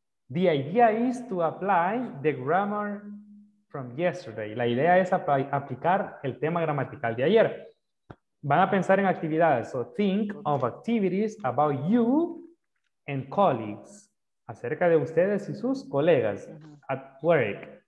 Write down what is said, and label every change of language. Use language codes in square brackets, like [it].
[en] The idea is to apply the grammar from yesterday. [es] La idea es aplicar el tema gramatical de ayer. Van a pensar en actividades. [en] So think of activities about you and colleagues. [es] Acerca de ustedes y sus colegas [en] at work.